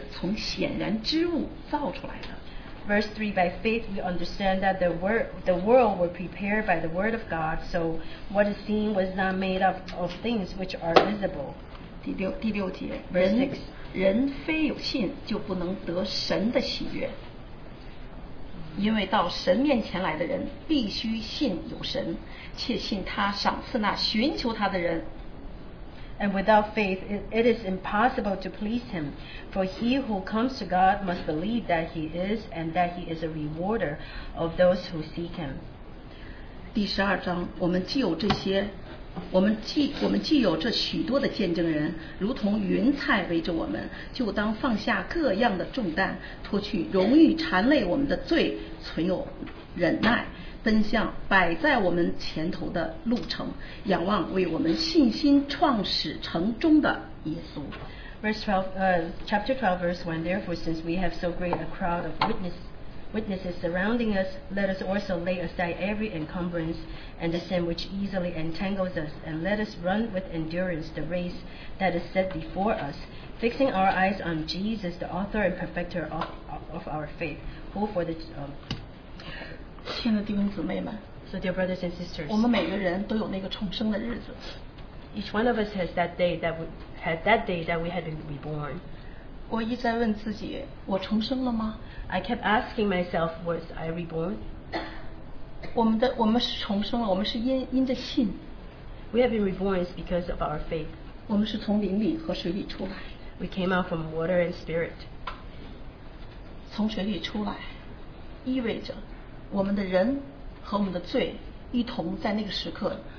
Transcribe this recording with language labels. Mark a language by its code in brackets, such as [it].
[zh] 我们第三节，我们因着信就知道，诸世界是借神的话造成的，这样所看见的，并不是从显然之物造出来的。 [en] Verse 3, by faith we understand that the world were prepared by the word of God, so what is seen was not made up of things which are visible. [zh] 第六节, [en] Verse 6, [zh] 人非有信就不能得神的喜悦, 因为到神面前来的人必须信有神, 且信他赏赐那寻求他的人。 [en] And without faith, it is impossible to please Him. For he who comes to God must believe that He is, and that He is a rewarder of those who seek Him. [zh] 第十二章，我们既有这些，我们既有这许多的见证人，如同云彩围着我们，就当放下各样的重担，脱去容易缠累我们的罪，存有忍耐。奔向摆在我们前头的路程，仰望为我们信心创始成终的耶稣。 [en] chapter 12, verse 1, therefore, since we have so great a crowd of witnesses surrounding us, let us also lay aside every encumbrance and the sin which easily entangles us, and let us run with endurance the race that is set before us, fixing our eyes on Jesus, the author and perfecter of our faith, who for the... [zh] 亲爱的弟兄姊妹们, [en] so dear brothers and sisters, [zh] 我们每个人都有那个重生的日子。 [en] Each one of us has that day that we had that day that we had been reborn. [zh] 我一直在问自己, 我重生了吗? [en] I kept asking myself, was I reborn? [zh] 我们是重生了, 我们是因着信。 [en] We have been reborn because of our faith. [zh] 我们是从灵里和水里出来。 [en] We came out from water and spirit. [zh] 从水里出来, 意味着我们的人和我们的罪一同在那个时刻。